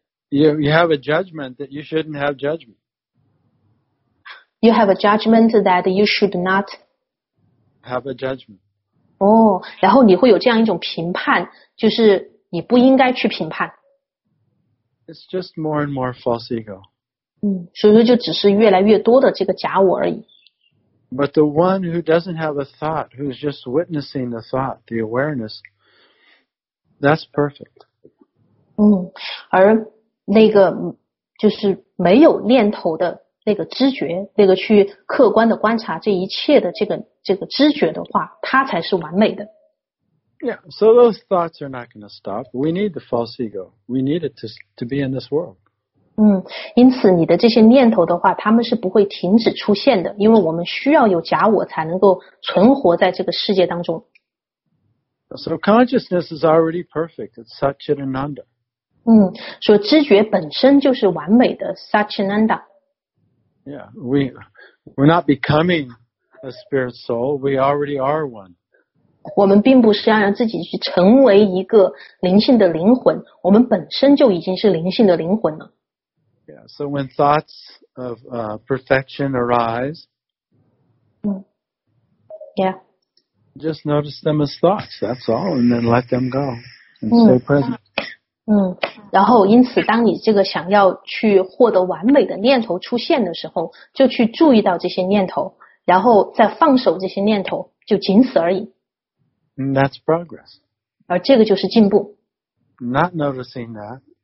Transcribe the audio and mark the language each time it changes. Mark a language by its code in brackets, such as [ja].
[en] You have a judgment that you shouldn't have judgment. You have a judgment that you should not have a judgment. [zh] Oh, 然后你会有这样一种评判，就是你不应该去评判。 [en] It's just more and more false ego. [zh] 所以说就只是越来越多的这个假我而已。 [en] But the one who doesn't have a thought, who's just witnessing the thought, the awareness, that's perfect. [zh] 而那个就是没有念头的那个知觉，那个去客观的观察这一切的这个知觉的话，它才是完美的。 [en] Yeah, so those thoughts are not going to stop. We need the false ego. We need it to be in this world. [zh] 因此你的这些念头的话，他们是不会停止出现的，因为我们需要有假我才能够存活在这个世界当中。 [en] So consciousness is already perfect. It's Satchitananda. [zh] 所以知觉本身就是完美的 Satchitananda。 [en] Yeah, we're not becoming a spirit soul. We already are one. [zh] 我们并不是要让自己去成为一个灵性的灵魂，我们本身就已经是灵性的灵魂了。 [en] Yeah, so when thoughts of perfection arise, just notice them as thoughts, that's all, and then let them go and stay present. [zh] 然后因此当你这个想要去获得完美的念头出现的时候，就去注意到这些念头，然后再放手这些念头，就仅此而已。 [en] And that's progress. [zh] 而这个就是进步。 [en] Not noticing that.